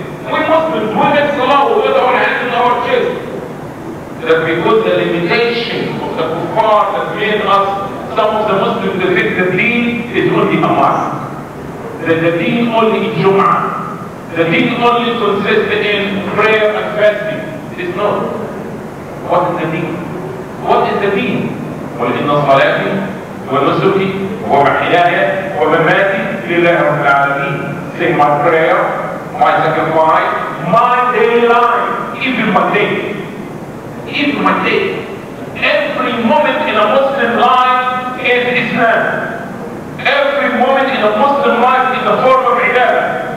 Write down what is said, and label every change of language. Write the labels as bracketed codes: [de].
[en] We must be doing the Salah with our hands in our chest. That because the limitation of the kuffar that made us some of the Muslims, they think the deen is only a mosque. That the deen only in Jum'ah. The deen only consists in prayer and fasting. It is not. What is the deen? What is the deen? [ar] قل إن صلاتي ونسكي ومحياي ومماتي لله رب العالمين. [en] Say my prayer, my sacrifice, my daily life, even my day. Even my day. Every moment in a Muslim life is Islam. Every moment in a Muslim life is a form of ibadah.